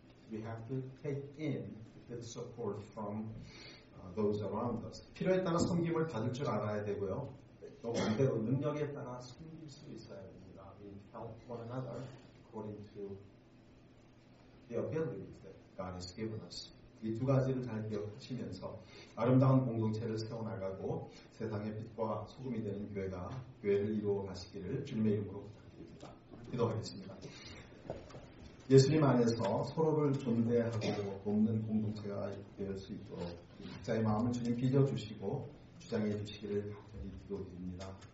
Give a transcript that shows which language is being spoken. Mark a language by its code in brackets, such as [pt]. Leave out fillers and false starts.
[en] We have to take in the support from those around us. [ko] 필요에 따라 섬김을 받을 줄 알아야 되고요. 또 반대로 능력에 따라 숨길 수 있어야 됩니다. [en] We help one another according to the abilities that God has given us. [ko] 이 두 가지를 잘 기억하시면서 아름다운 공동체를 세워나가고 세상의 빛과 소금이 되는 교회가 교회를 이루어 가시기를 주님의 이름으로 부탁드립니다. 기도하겠습니다. 예수님 안에서 서로를 존대하고 돕는 공동체가 될 수 있도록 각자의 마음을 주님 빌려주시고 주장해 주시기를 간절히 기도드립니다.